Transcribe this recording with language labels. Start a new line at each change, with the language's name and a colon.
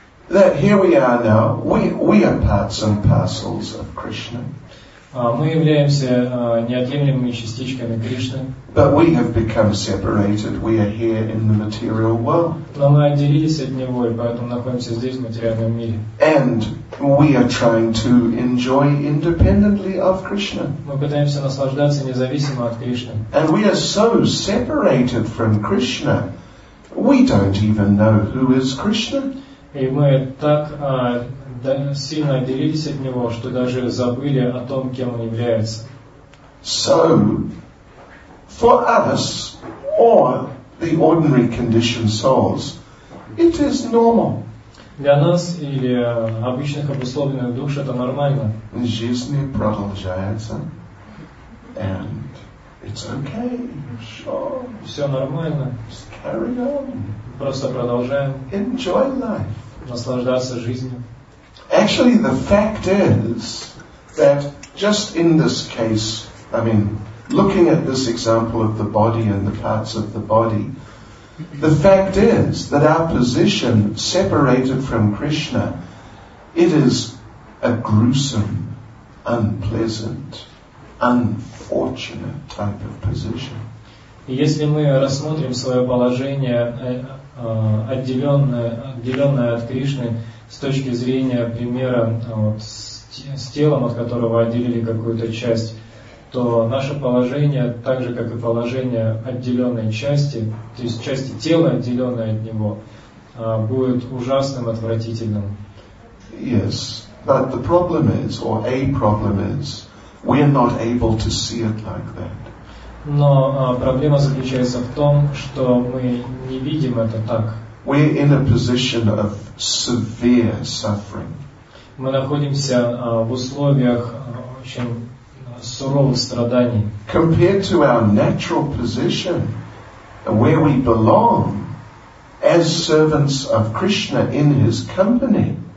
English: That here we are now. We are parts and parcels of Krishna.
Russian: Мы являемся неотъемлемыми частичками Кришны.
English: But we have become separated. We are here in the material world.
Russian: Но мы отделились от него, и поэтому находимся здесь, в материальном мире.
English: And we are trying to enjoy independently of Krishna.
Russian: Мы пытаемся наслаждаться независимо от Кришны.
English: And we are so separated from Krishna, we don't even know who is Krishna.
Russian: И мы так сильно отделились от него, что даже забыли о том, кем он является.
English: So, for us, or the ordinary conditioned souls, it is normal.
Russian: Для нас или обычных обусловленных душ это нормально. Жизнь продолжается,
English: and it's okay. Sure.
Russian: Все нормально.
English: Just carry on.
Russian: Просто продолжаем.
English: Enjoy life.
Russian: наслаждаться жизнью.
English: Actually, the fact is that just in this case, I mean, looking at this example of the body and the parts of the body, the fact is that our position separated from Krishna, it is a gruesome, unpleasant, unfortunate type of position.
Russian: Если мы рассмотрим свое положение, отделенное от Кришны, с точки зрения примера вот, с телом, от которого отделили какую-то часть, то наше положение, так же, как и положение отделенной части, то есть части тела, отделенной от него, будет ужасным, отвратительным.
English: Yes, but the problem is, or a problem is, we are not able to see it like that.
Russian: Но проблема заключается в том, что мы не видим это так.
English: We're in a position of severe suffering.
Russian: Мы находимся в условиях очень суровых страданий.
English: Compared to our natural position, where we belong as servants of Krishna in His company.